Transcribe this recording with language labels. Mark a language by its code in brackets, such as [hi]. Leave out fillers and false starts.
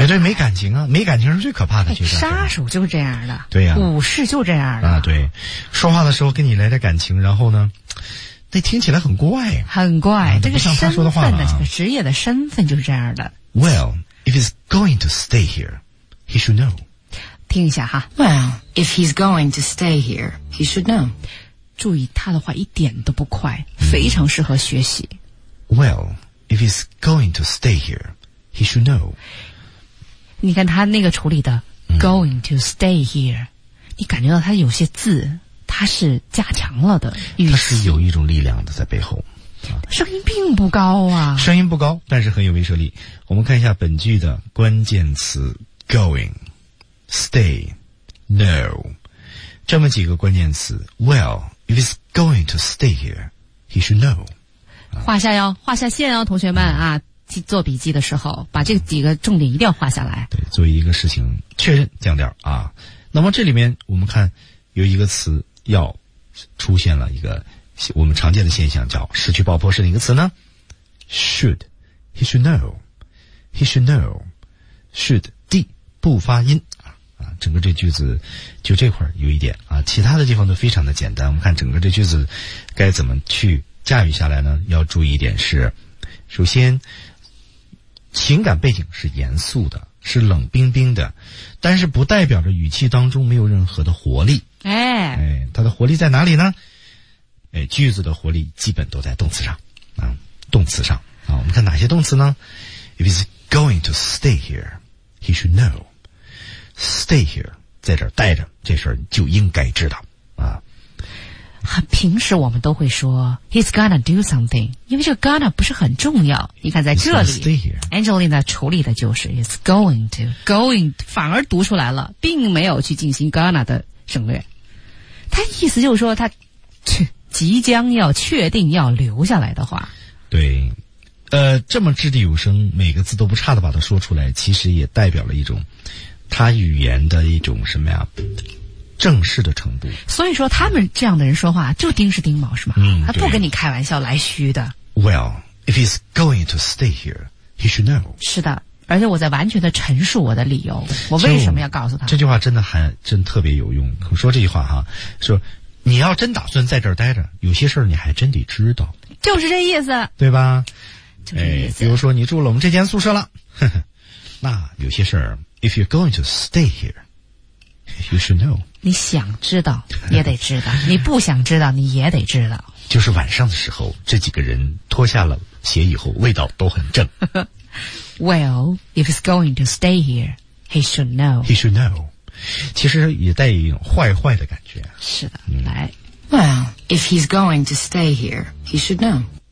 [zh] 哎、对没感情啊没感情是最可怕的、杀手就这样的对呀、武士就这样的啊对说话的时候跟你来点感情然后呢那听起来很怪很怪、这个像他说的话这个职业的身份就是这样的 [en] Well, if he's going to stay here, he should know [zh] 听一下哈 [en] Well, if he's going to stay here, he should know [zh] 注意他的话一点都不快非常适合学习 [en] Well,If he's going to stay here, he should know. [zh] 你看他那个处理的、 [en] going to stay here, [zh] 你感觉到他有些字他是加强了的语气。他是有一种力量的在背后。声音并不高啊。声音不高但是很有威慑力。我们看一下本句的关键词 going, stay, No. 这么几个关键词 [en] Well, if he's going to stay here, he should know. [zh] 画下哟，画下线哟，同学们啊，做笔记的时候把这几个重点一定要画下来。对，作为一个事情确认降调啊。那么这里面我们看有一个词要出现了一个我们常见的现象叫失去爆破是哪个词呢 ? [en] should, he should know, he should know, should, D, [zh] 不发音啊，整个这句子就这会儿有一点啊，其他的地方都非常的简单，我们看整个这句子该怎么去驾驭下来呢，要注意一点是首先情感背景是严肃的是冷冰冰的，但是不代表着语气当中没有任何的活力。哎，它的活力在哪里呢？哎，句子的活力基本都在动词上啊，动词上啊。我们看哪些动词呢 ？ [en] If he's going to stay here, he should know. Stay here， [zh] 在这儿待着，这事儿就应该知道啊。很平时我们都会说 [en] he's gonna do something， [zh] 因为这个 gonna 不是很重要。你看在这里 ，Angelina 处理的就是 [en] he's going to， [zh] going 反而读出来了，并没有去进行 gonna 的省略。他意思就是说他即将要确定要留下来的话。对，这么掷地有声，每个字都不差的把它说出来，其实也代表了一种他语言的一种什么呀？正式的程度。所以说他们这样的人说话就钉是钉毛是吗？嗯，他不跟你开玩笑来虚的。 [en] Well, if he's going to stay here, he should know. [zh] 是的，而且我在完全的陈述我的理由，我为什么要告诉他。这句话真的还真特别有用。我说这句话哈，说你要真打算在这儿待着，有些事儿你还真得知道。就是这意思。对吧？就是这意思。比如说你住了我们这间宿舍了，那有些事儿 , [en] if you're going to stay here,You should know. [zh] 你想知道也得知道，你不想知道你也得知道。就是晚上的时候，这几个人脱下了鞋以后，味道都很正。 [en] Well, if he's going to stay here, he should know. He should know. [zh] 其实也带一种坏坏的感觉。是的，嗯、来。 [en] Well, if he's going to stay here, he should know.